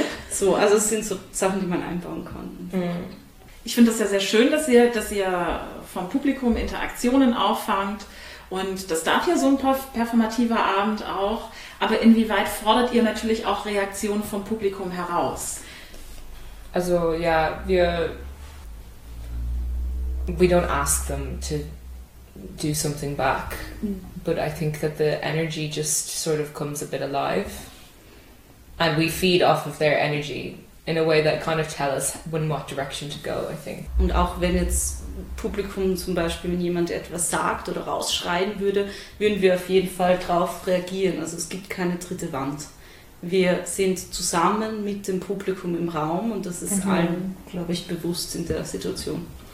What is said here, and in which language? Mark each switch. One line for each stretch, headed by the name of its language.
German: So, also es sind so Sachen, die man einbauen kann. Mhm. Ich finde das ja sehr schön, dass ihr vom Publikum Interaktionen auffangt. Und das darf ja so ein performativer Abend auch. Aber inwieweit fordert ihr natürlich auch Reaktionen vom Publikum heraus? Also ja, wir
English: we don't ask them to do something back, but I think that the energy just sort of comes a bit alive, and we feed off of their energy in a way that kind of tells us in what direction to go, I think.
German: Und auch wenn jetzt Publikum zum Beispiel, wenn jemand etwas sagt oder rausschreien würde, würden wir auf jeden Fall drauf reagieren. Also es gibt keine dritte Wand. Wir sind zusammen mit dem Publikum im Raum und das ist allen, glaube ich, bewusst in der Situation.